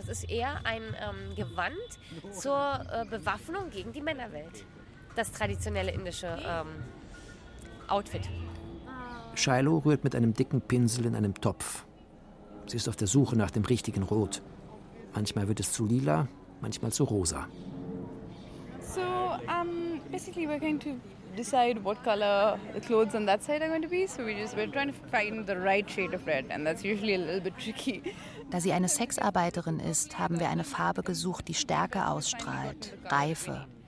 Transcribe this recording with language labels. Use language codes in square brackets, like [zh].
[de] Und das ist eher ein Gewand zur Bewaffnung gegen die Männerwelt. Das traditionelle indische Outfit. Shiloh rührt mit einem dicken Pinsel in einem Topf. Sie ist auf der Suche nach dem richtigen Rot. Manchmal wird es zu lila, manchmal zu rosa. [en] So, basically we're going to decide what color the clothes on that side are going to be. So we're trying to find the right shade of red, and that's usually a little bit tricky. [de] Da sie eine Sexarbeiterin ist, haben wir eine Farbe gesucht, die Stärke ausstrahlt, Reife.